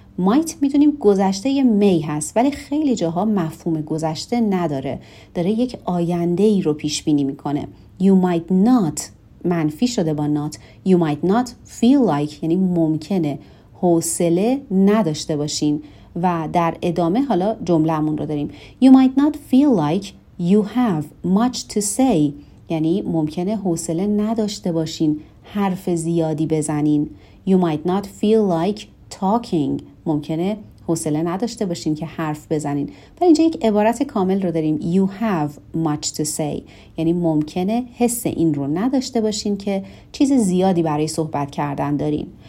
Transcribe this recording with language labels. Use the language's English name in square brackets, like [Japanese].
[Persian] Might میدونیم گذشته may هست، ولی خیلی جاها مفهوم گذشته نداره. داره یک آینده ای رو پیش بینی میکنه. [English] You might not [Persian] منفی شده با not. [English] You might not feel like [Persian] یعنی ممکنه حوصله نداشته باشین. و در ادامه حالا جمله‌مون رو داریم. [English] You might not feel like you have much to say. [Persian] یعنی ممکنه حوصله نداشته باشین حرف زیادی بزنین. [English] You might not feel like talking. [Persian] ممکنه حوصله نداشته باشین که حرف بزنین. ولی اینجا یک عبارت کامل رو داریم. [English] You have much to say. [Persian] یعنی ممکنه حس این رو نداشته باشین که چیز زیادی برای صحبت کردن دارین.